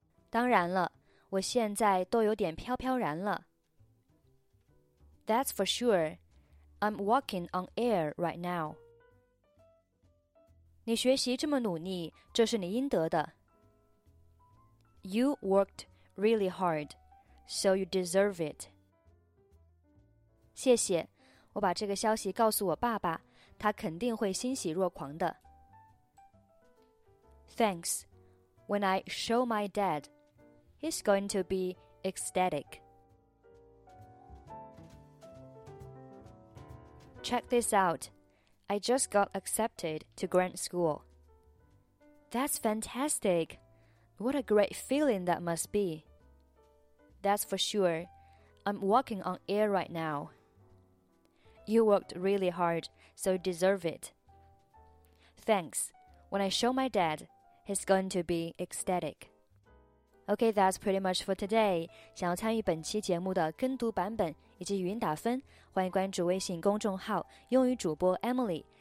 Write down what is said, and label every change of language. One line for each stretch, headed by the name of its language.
Chinese: 当然了，我现在都有点飘飘然了。
English: That's for sure. I'm walking on air right now.
Chinese: 你学习这么努力，这是你应得的。
English: You worked really hard, so you deserve it.
Chinese: 谢谢，我把这个消息告诉我爸爸，他肯定会欣喜若狂的。
English: Thanks. When I show my dad,He's going to be ecstatic. Check this out. I just got accepted to grad school. That's fantastic. What a great feeling that must be. That's for sure. I'm walking on air right now. You worked really hard, so you deserve it. Thanks. When I show my dad, he's going to be ecstatic. Okay, that's pretty much for today.
Chinese: 想要参与本期节目的跟读版本以及语音打分，欢迎关注微信公众号“英语主播 Emily”。